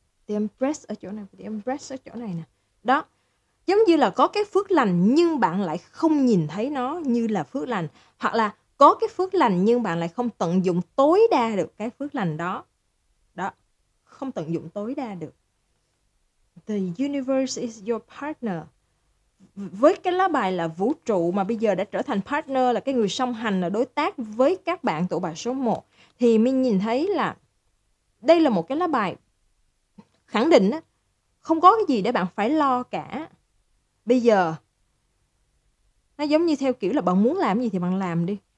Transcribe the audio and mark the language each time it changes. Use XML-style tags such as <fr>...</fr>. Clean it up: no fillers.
<vi>thì em press ở chỗ này, thì em press ở chỗ này nè. Đó, giống như là có cái phước lành nhưng bạn lại không nhìn thấy nó như là phước lành. Hoặc là có cái phước lành nhưng bạn lại không tận dụng tối đa được cái phước lành đó. Đó, không tận dụng tối đa được.</vi> <en>The universe is your partner.</en> <vi>Với cái lá bài là vũ trụ mà bây giờ đã trở thành partner, là cái người song hành, là đối tác với các bạn tụ bài số 1, thì mình nhìn thấy là đây là một cái lá bài khẳng định đó, không có cái gì để bạn phải lo cả. Bây giờ nó giống như theo kiểu là bạn muốn làm gì thì bạn làm đi.</vi>